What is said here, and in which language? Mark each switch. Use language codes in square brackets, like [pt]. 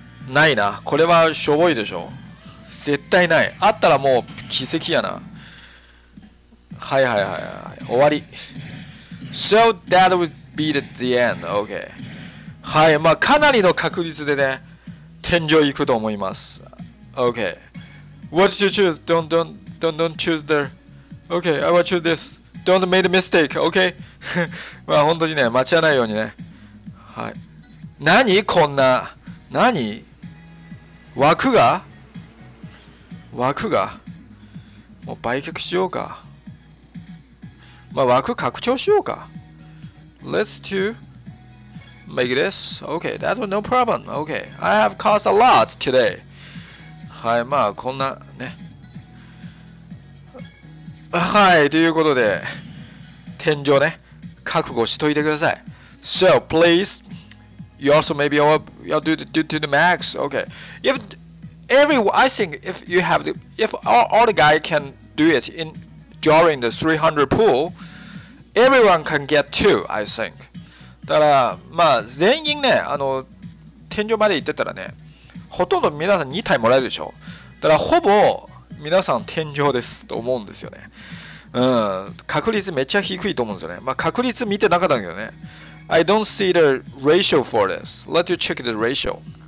[ja] ないな。これはしょぼいでしょ。絶対ない。あったらもう奇跡やな。はいはいはいはい、終わり。 [en] So that would be the end. OK。 [ja] はい、まあかなりの確率でね天井行くと思います。 [en] OK。 What you choose? Don't choose the OK, I will choose this. Don't make a mistake, OK? [ja] まあ本当にね、間違わないようにね。はい。何こんな、何枠が、枠が、もう売却しようか。まあ枠拡張しようか。 [en] Let's to make this. OK, that's no problem. OK, I have cost a lot today. [ja] はい、まあこんなね。はい、ということで天井ね覚悟しといてください。 [en] So please you also maybe you'll do to the max. OK, if everyone, I think if you have the, if all the guy can do it in during the 300 pool, everyone can get two, I think. [ja] だからまあ全員ね、あの天井まで行ってたらね、ほとんど皆さん2体もらえるでしょ。だからほぼ皆さん天井ですと思うんですよね。うん、確率めっちゃ低いと思うんですよね。まあ確率見てなかったんだけどね。 [en] I don't see the ratio for this. Let you check the ratio.